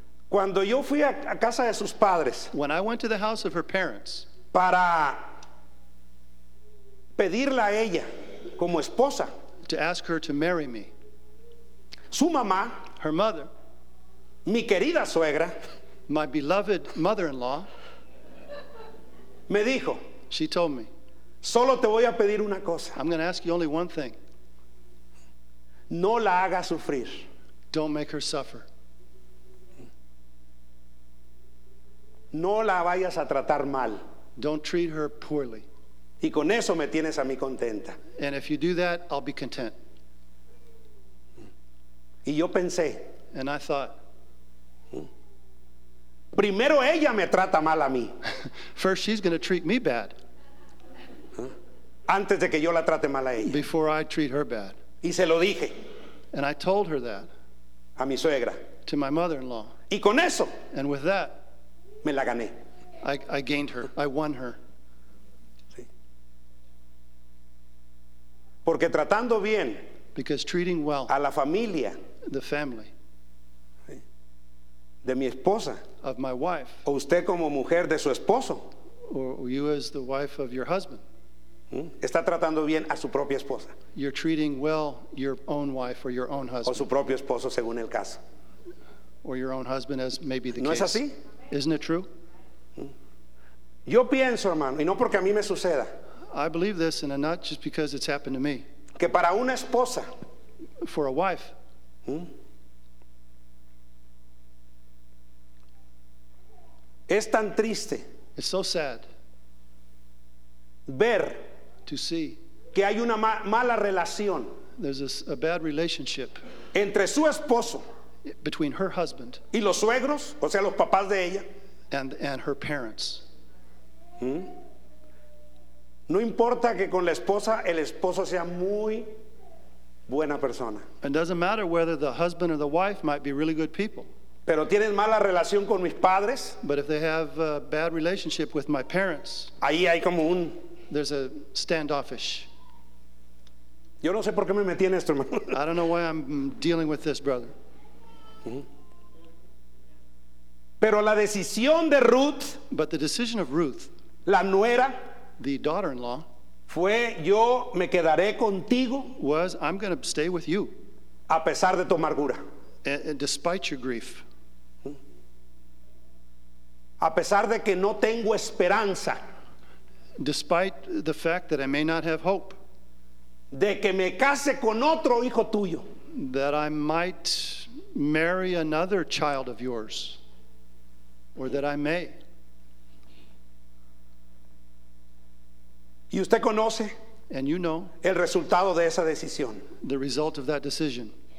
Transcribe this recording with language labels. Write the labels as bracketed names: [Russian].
[Spanish] Cuando yo fui a casa de sus padres, [English] when I went to the house of her parents, [Spanish] para pedirla a ella como esposa, [English] to ask her to marry me, [Spanish] su mamá, [English] her mother, [Spanish] mi querida suegra, [English] my beloved mother-in-law, [Spanish] me dijo, [English] she told me, [Spanish] solo te voy a pedir una cosa. [English] I'm going to ask you only one thing. [Spanish] No la haga sufrir. [English] Don't make her suffer. [Spanish] No la vayas a tratar mal. [English] Don't treat her poorly. [Spanish] Y con eso me tienes a mí contenta. [English] And if you do that, I'll be content. [Spanish] Y yo pensé, [English] and I thought, [Spanish] Primero ella me trata mal a mí. [English] First she's going to treat me bad. [Spanish] Antes de que yo la trate mal a ella. [English] Before I treat her bad. [Spanish] Y se lo dije. [English] And I told her that. [Spanish] A mi suegra. [English] To my mother-in-law. [Spanish] Y con eso. [English] And with that. [Spanish] Me la gané. [English] I gained her. I won her. Sí. [Spanish] Porque tratando bien. [English] Because treating well. [Spanish] A la familia. [English] The family. [Spanish] De mi esposa. [English] Of my wife. [Spanish] O usted como mujer de su esposo. [English] Or you as the wife of your husband. [Spanish] Está tratando bien a su propia esposa. [English] You're treating well your own wife or your own husband. [Spanish] O su propio esposo, según el caso. [English] Or your own husband, as maybe the [Spanish] ¿no [English] case. [Spanish] ¿No es así? [English] Isn't it true? [Spanish] Yo pienso, hermano, y no porque a mí me suceda. [English] I believe this, and not just because it's happened to me. [Spanish] Que para una esposa. [English] For a wife. [Spanish] Es tan triste. [English] It's so sad. [Spanish] Ver [English] to see [Spanish] que hay una mala relación [English] there's a bad relationship [Spanish] entre su esposo [English] between her husband [Spanish] y los suegros, o sea, los papás de ella [English] and her parents. [Spanish] No importa que con la esposa el esposo sea muy buena persona. [English] It doesn't matter whether the husband or the wife might be really good people. [Spanish] Pero tienen mala relación con mis padres. [English] But if they have a bad relationship with my parents, [Spanish] ahí hay como un [English] there's a standoffish. [Spanish] Yo no sé por qué me metí en esto, hermano. [English] I don't know why I'm dealing with this, brother. [Spanish] Pero la decisión de Ruth, [English] but the decision of Ruth, [Spanish] la nuera, [English] the daughter-in-law, [Spanish] fue yo me quedaré contigo, [English] was I'm going to stay with you, [Spanish] a pesar de tu amargura. [English] Despite your grief, [Spanish] a pesar de que no tengo esperanza, [English] despite the fact that I may not have hope, [Spanish] de que me case con otro hijo tuyo, [English] that I might marry another child of yours, or that I may. [Spanish] Y usted conoce, [English] and you know, [Spanish] el resultado de esa decisión, [English] the result of that decision.